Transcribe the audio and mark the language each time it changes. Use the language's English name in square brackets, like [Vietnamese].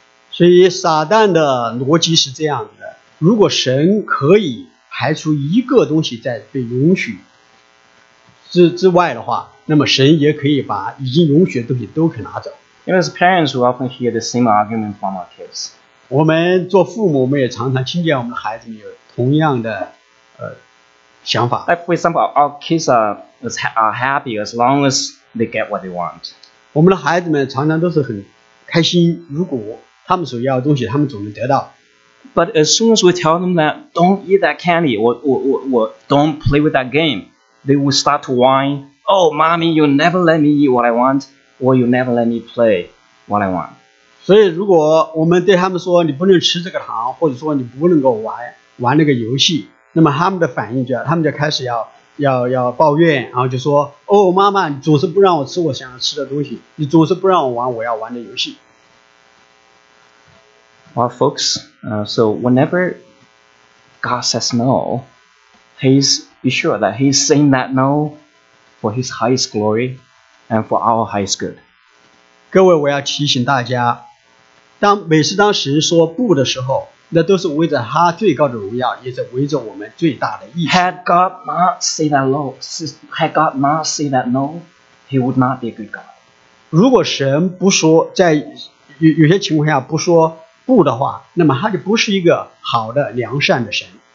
[Chinese] 所以撒旦的逻辑是这样的，如果神可以排除一个东西在被允许之外的话，那么神也可以把已经允许的东西都可拿走。 [English] And as parents, we often hear the same argument from our kids. [Chinese] 我们做父母，我们也常常听见我们的孩子们有同样的想法。 [English] Like, for example, our kids are happy as long as they get what they want. [Chinese] 我们的孩子们常常都是很开心，如果他们所要的东西他们总能得到。 [English] But as soon as we tell them that don't eat that candy or don't play with that game, they will start to whine, "Oh, mommy, you never let me eat what I want, or you never let me play what I want." [Chinese] 所以如果我们对他们说你不能吃这个糖，或者说你不能够玩那个游戏，那么他们的反应就他们就开始要抱怨，然后就说，哦，妈妈，你总是不让我吃我想要吃的东西，你总是不让我玩我要玩的游戏。 [English] Well, folks, so whenever God says no, He's be sure that He's saying that no for His highest glory and for our highest good. [Chinese] 各位，我要提醒大家，当每次当神说不的时候，那都是围着他最高的荣耀，也是围着我们最大的意义。 [English] Had God not said that no, He would not be a good God. [Chinese] 如果神不说，在有些情况下不说不的话，那么他就不是一个好的良善的神。